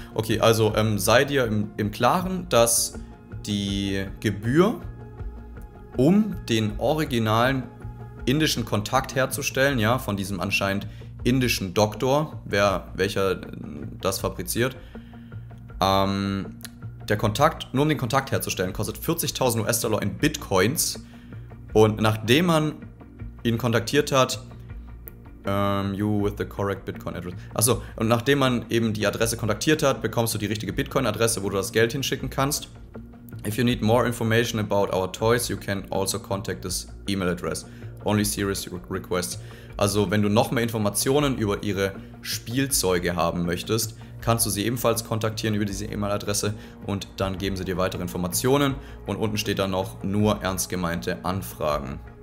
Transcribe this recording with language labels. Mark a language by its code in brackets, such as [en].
[de] Okay, also sei dir im Klaren, dass die Gebühr, um den originalen indischen Kontakt herzustellen, ja, von diesem anscheinend indischen Doktor, welcher das fabriziert, der Kontakt, nur um den Kontakt herzustellen, kostet 40.000 US-Dollar in Bitcoins. Und nachdem man ihn kontaktiert hat, [en] you with the correct Bitcoin address. [de] Achso, und nachdem man eben die Adresse kontaktiert hat, bekommst du die richtige Bitcoin-Adresse, wo du das Geld hinschicken kannst. [en] If you need more information about our toys, you can also contact this email address. Only serious requests. [de] Also, wenn du noch mehr Informationen über ihre Spielzeuge haben möchtest, kannst du sie ebenfalls kontaktieren über diese E-Mail-Adresse und dann geben sie dir weitere Informationen. Und unten steht dann noch nur ernst gemeinte Anfragen.